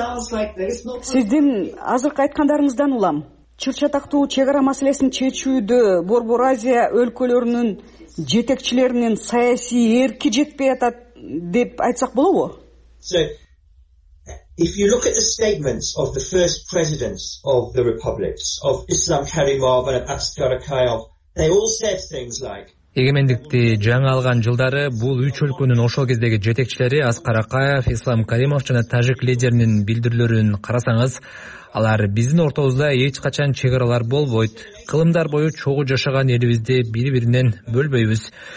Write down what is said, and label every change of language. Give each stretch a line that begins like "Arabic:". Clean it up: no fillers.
Kyrgyz: Сиздин азыркы айткандарыңыздан улам чыр чатактуу чек ара маселесин чечүүдө Борбор Азия өлкөлөрүнүн жетекчилеринин саясий эрки жетпей атат деп айтсак болобу?
English: If you look at the statements of the first presidents of the republics, of Islam Karimov and Askar Akayov, they all said things like
Kyrgyz: Эгемендикти жаңы алган жылдары бул үч өлкөнүн ошол кездеги жетекчилери Аскар Акаев, Ислам Каримов жана тажик лидеринин билдирүүлөрүн карасаңыз, алар биздин ортобузда эч качан чек аралар болбойт. Кылымдар бою чогуу жашаган элибизди бири-биринен бөлбөйбүз.